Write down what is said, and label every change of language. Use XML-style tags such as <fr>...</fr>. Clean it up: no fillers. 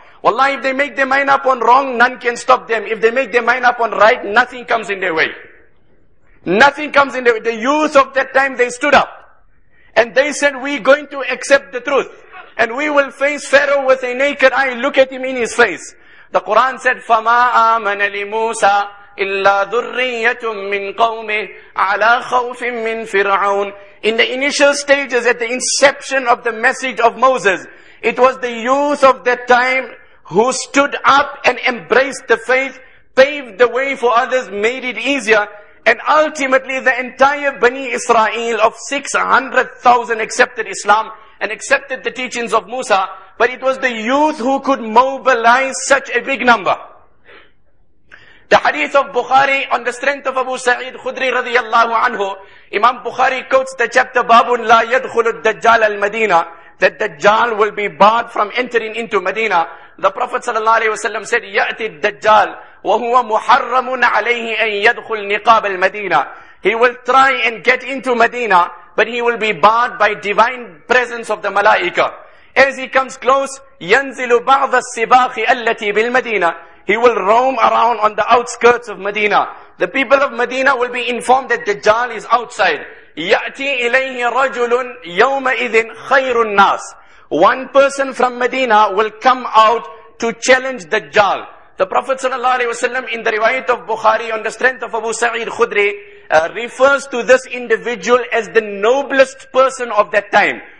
<en>Wallahi, if they make their mind up on wrong, none can stop them. If they make their mind up on right, nothing comes in their way. Nothing comes in their way. The youth of that time, they stood up. And they said, we're going to accept the truth. And we will face Pharaoh with a naked eye. Look at him in his face. The Quran said,</en> <ar>فَمَا آمَنَ لِمُوسَىٰ إِلَّا ذُرِّيَّةٌ مِّن قَوْمِهِ عَلَىٰ خَوْفٍ مِّن فِرْعَوْنِ.</ar> <en>In the initial stages, at the inception of the message of Moses, it was the youth of that time who stood up and embraced the faith, paved the way for others, made it easier. And ultimately, the entire Bani Israel of 600,000 accepted Islam and accepted the teachings of Musa. But it was the youth who could mobilize such a big number. The hadith of Bukhari on the strength of Abu Sa'id Khudri radiallahu anhu, Imam Bukhari quotes the chapter, Babun la yadkhulu ad-dajjal al-Madina, that Dajjal will be barred from entering into Medina. The Prophet sallallahu alayhi wa sallam said,</en> <ar>يَأْتِ الدَّجَّالِ وَهُوَ مُحَرَّمٌ عَلَيْهِ أَن يَدْخُلْ نِقَابَ الْمَدِينَةِ.</ar> <en>He will try and get into Medina, but he will be barred by divine presence of the Malaika. As he comes close,</en> <ar>يَنْزِلُ بَعْضَ السِّبَاخِ أَلَّتِي بِالْمَدِينَةِ.</ar> <en>He will roam around on the outskirts of Medina. The people of Medina will be informed that Dajjal is outside.</en> <ar>يَأْتِي إِلَيْهِ رَجُلٌ يَوْمَئِذٍ خَيْرُ النَّاسِ.</ar> <en>One person from Medina will come out to challenge Dajjal. The Prophet sallallahu alaihi wasallam in the riwayat of Bukhari on the strength of Abu Sa'id Khudri refers to this individual as the noblest person of that time.</en>